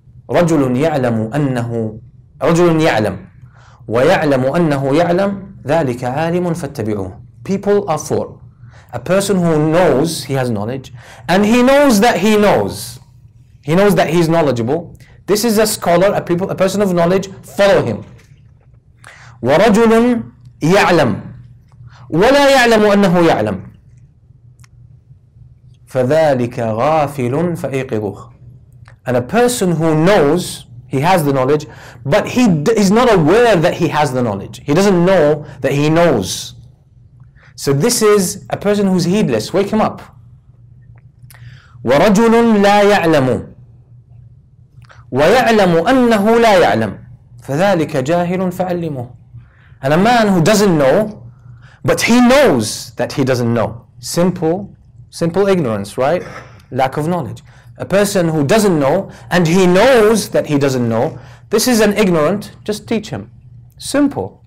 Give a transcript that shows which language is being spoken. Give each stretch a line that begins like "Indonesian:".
Arabic: رجل يعلم أنه رجل يعلم ويعلم أنه يعلم ذلك عالم فاتبعوه.
English: People are four. A person who knows, he has knowledge, and he knows that he knows. He knows that he's knowledgeable. This is a scholar, a person of knowledge, follow him.
Arabic: ورجل يعلم ولا يعلم أنه يعلم فذلك غافل فأيقظه.
English: And a person who knows, he has the knowledge, but he is not aware that he has the knowledge. He doesn't know that he knows. So this is a person who's heedless. Wake him up.
Arabic: ورجل لا يعلم ويعلم أنه لا يعلم فذلك جاهل فعلمه.
English: And a man who doesn't know, but he knows that he doesn't know. Simple ignorance, right? Lack of knowledge. A person who doesn't know, and he knows that he doesn't know, this is an ignorant, just teach him. Simple.